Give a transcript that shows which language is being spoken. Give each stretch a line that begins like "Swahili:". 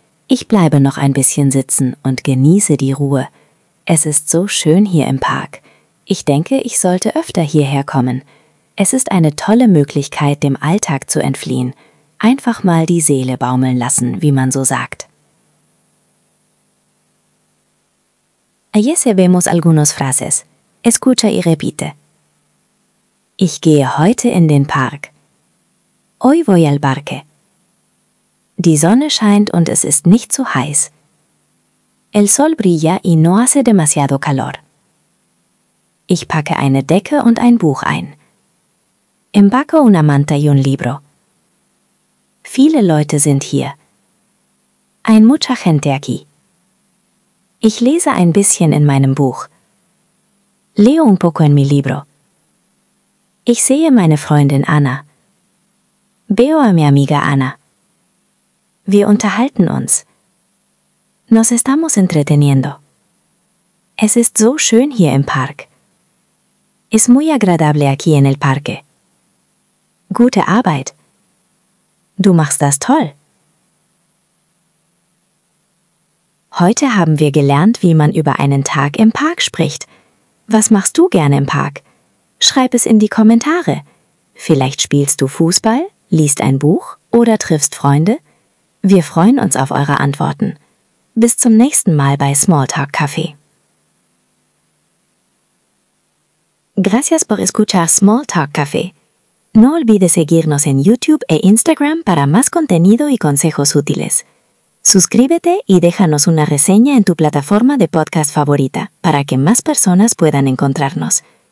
German: Ich bleibe noch ein bisschen sitzen und genieße die Ruhe. Es ist so schön hier im Park. Ich denke, ich sollte öfter hierher kommen. Es ist eine tolle Möglichkeit, dem Alltag zu entfliehen. Einfach mal die Seele baumeln lassen, wie man so sagt.
Spanish: Ayer sabemos algunos frases. Escucha y repite.
German: Ich gehe heute in den Park.
Spanish: Hoy voy al parque.
German: Die Sonne scheint und es ist nicht so heiß.
Spanish: El sol brilla y no hace demasiado calor.
German: Ich packe eine Decke und ein Buch ein.
Spanish: Empaco una manta y un libro.
German: Viele Leute sind hier.
Spanish: Hay mucha gente aquí.
German: Ich lese ein bisschen in meinem Buch.
Spanish: Leo un poco en mi libro.
German: Ich sehe meine Freundin Anna.
Spanish: Veo a mi amiga Anna.
German: Wir unterhalten uns.
Spanish: Nos estamos entreteniendo.
German: Es ist so schön hier im Park.
Spanish: Es muy agradable aquí en el parque.
German: Gute Arbeit. Du machst das toll. Heute haben wir gelernt, wie man über einen Tag im Park spricht. Was machst du gerne im Park? Schreib es in die Kommentare. Vielleicht spielst du Fußball, liest ein Buch oder triffst Freunde? Wir freuen uns auf eure Antworten. Bis zum nächsten Mal bei Smalltalk Café.
Spanish: Gracias por escuchar Smalltalk Café. No olvides seguirnos en YouTube e Instagram para más contenido y consejos útiles. Suscríbete y déjanos una reseña en tu plataforma de podcast favorita para que más personas puedan encontrarnos.